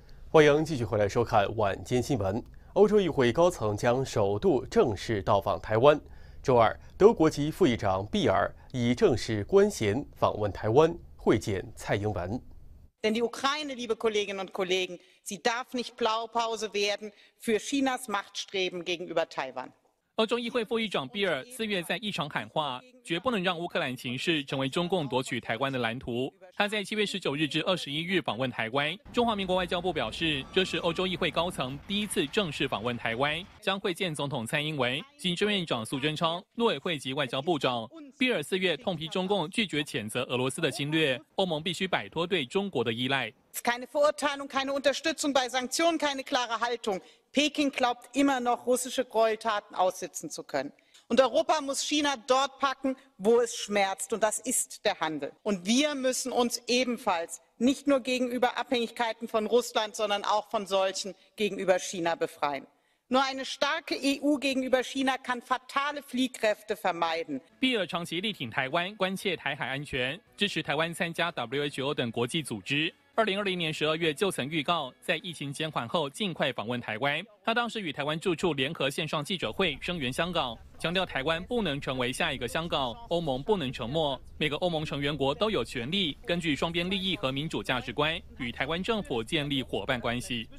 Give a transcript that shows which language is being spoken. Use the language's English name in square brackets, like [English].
[Chinese] 欢迎继续回来收看晚间新闻。欧洲议会高层将首度正式到访台湾。周二，德国籍副议长毕尔以正式官衔访问台湾，会见蔡英文。 [German] Denn die Ukraine, liebe Kolleginnen und Kollegen, sie darf nicht Blaupause werden für Chinas Machtstreben gegenüber Taiwan. [Chinese] 欧洲议会副议长比尔四月在一场喊话，绝不能让乌克兰情势成为中共夺取台湾的蓝图。他在七月十九日至二十一日访问台湾，中华民国外交部表示，这是欧洲议会高层第一次正式访问台湾，将会见总统蔡英文、行政院长苏贞昌、陆委会及外交部长。比尔四月痛批中共拒绝谴责俄罗斯的侵略，欧盟必须摆脱对中国的依赖。 [German] Keine Verurteilung, keine Unterstützung bei Sanktionen, keine klare Haltung. Peking glaubt immer noch, russische Gräueltaten aussitzen zu können. Und Europa muss China dort packen, wo es schmerzt. Und das ist der Handel. Und wir müssen uns ebenfalls nicht nur gegenüber Abhängigkeiten von Russland, sondern auch von solchen gegenüber China befreien. Nur eine starke EU gegenüber China kann fatale Fliehkräfte vermeiden. [Chinese] 比尔长期力挺台湾，关切台海安全，支持台湾参加 WHO 等国际组织。 2020年12月就曾预告，在疫情减缓后尽快访问台湾。他当时与台湾驻处联合线上记者会声援香港，强调台湾不能成为下一个香港，欧盟不能沉默，每个欧盟成员国都有权利根据双边利益和民主价值观与台湾政府建立伙伴关系。